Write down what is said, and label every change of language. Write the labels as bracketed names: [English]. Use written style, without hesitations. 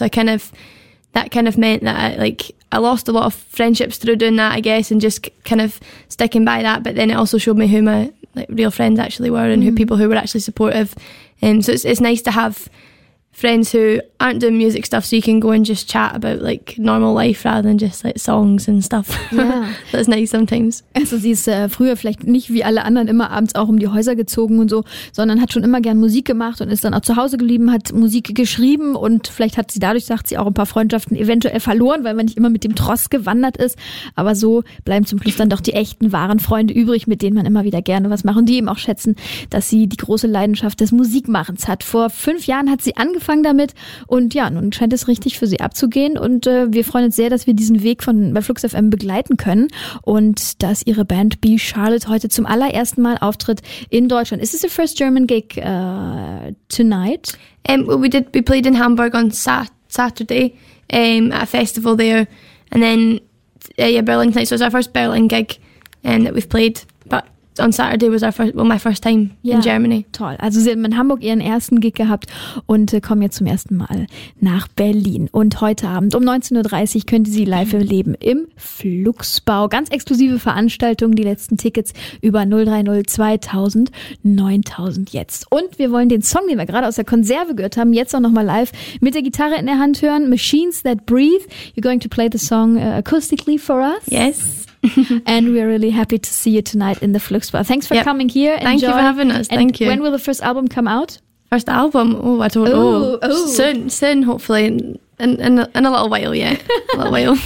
[English] So I kind of, that kind of meant that I lost a lot of friendships through doing that, I guess, and just kind of sticking by that. But then it also showed me who my like real friends actually were and who people who were actually supportive. So it's nice to have friends who aren't doing music stuff, so you can go and just chat about like normal life rather than just like songs and stuff. Yeah. That's nice sometimes. [German] Also sie ist früher vielleicht nicht wie alle anderen immer abends auch um die Häuser gezogen und so, sondern hat schon immer gern Musik gemacht und ist dann auch zu Hause geblieben, hat Musik geschrieben und vielleicht hat sie dadurch, sagt sie, auch ein paar Freundschaften eventuell verloren, weil man nicht immer mit dem Tross gewandert ist. Aber so bleiben zum Schluss dann doch die echten, wahren Freunde übrig, mit denen man immer wieder gerne was macht und die eben auch schätzen, dass sie die große Leidenschaft des Musikmachens hat. Vor 5 Jahren hat sie angefangen damit und ja, nun scheint es richtig für sie abzugehen und wir freuen uns sehr, dass wir diesen Weg von bei Flux FM begleiten können und dass ihre Band Be Charlotte heute zum allerersten Mal auftritt in Deutschland. [English] Is this the first German gig tonight? We played in Hamburg on Saturday at a festival there and then Berlin tonight, so it's our first Berlin gig that we've played, but on Saturday was our first, well, my first time in Germany. [German] Toll. Also Sie haben in Hamburg Ihren ersten Gig gehabt und kommen jetzt zum ersten Mal nach Berlin. Und heute Abend um 19.30 Uhr können Sie live erleben im Fluxbau. Ganz exklusive Veranstaltung, die letzten Tickets über 030 2000 9000 jetzt. Und wir wollen den Song, den wir gerade aus der Konserve gehört haben, jetzt auch nochmal live mit der Gitarre in der Hand hören. Machines That Breathe. [English] You're going to play the song acoustically for us. Yes. And we're really happy to see you tonight in the Fluxbau. Thanks for coming here. Thank you for having us. And thank you. When will the first album come out? First album? Oh, I don't know. Soon, hopefully. In a little while, yeah. A little while.